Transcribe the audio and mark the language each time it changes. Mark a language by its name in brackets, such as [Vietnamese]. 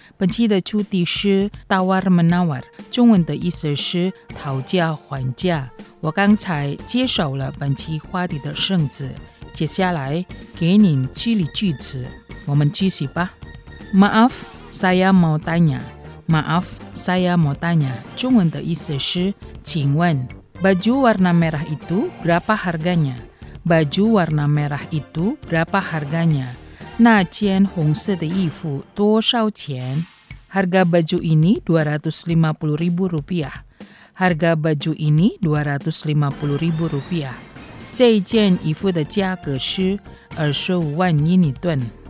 [Chinese] 本期的主题是 [Indonesian] Tawar Menawar， [Chinese] 中文的意思是讨价还价。我刚才介绍了本期话题的生字，接下来给您举例句子，我们继续吧。 [Indonesian] Maaf， saya mau tanya。 Maaf， saya mau tanya， [Chinese] 中文的意思是请问。 [Indonesian] Baju warna merah itu berapa harganya? Baju warna merah itu berapa harganya? [Chinese] 那件红色的衣服多少钱？ [Indonesian] Harga baju ini 250.000 rupiah. Harga baju ini 250.000 rupiah. [Chinese] 这件衣服的价格是25万印尼盾。